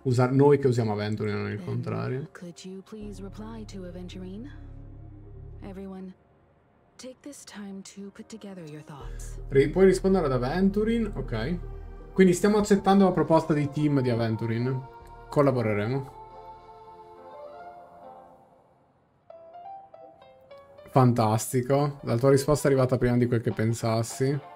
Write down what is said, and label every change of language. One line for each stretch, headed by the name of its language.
Italian: Usare noi che usiamo Aventurin, non il contrario.
English: Could you please reply to Aventurin? Everyone. Take this time to put together your thoughts.
Italian: Puoi rispondere ad Aventurin? Ok. Quindi stiamo accettando la proposta di team di Aventurin. Collaboreremo. Fantastico. La tua risposta è arrivata prima di quel che pensassi.